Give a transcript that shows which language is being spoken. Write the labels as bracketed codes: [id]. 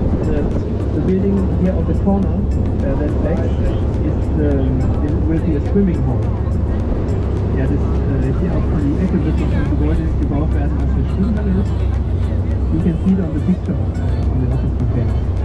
[en] The building here on the corner, that back, will be a swimming hall. [de] Ja, das hier auf die Ecke wird noch ein Gebäude gebaut werden, was eine Schwimmhalle ist. [en] You can see it on the picture on the office container.